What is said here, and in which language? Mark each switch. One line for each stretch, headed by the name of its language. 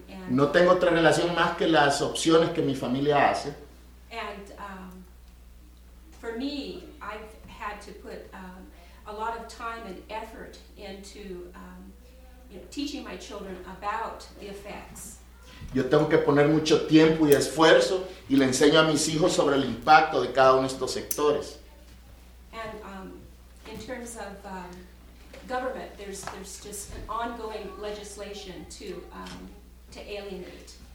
Spanish: No tengo otra relación más que las opciones que mi familia hace.
English: And for me, I've had to put a lot of time and effort into teaching my children about the effects.
Spanish: Yo tengo que poner mucho tiempo y esfuerzo y le enseño a mis hijos sobre el impacto de cada uno de estos sectores.
English: And in terms of government, there's just an ongoing legislation to alienate.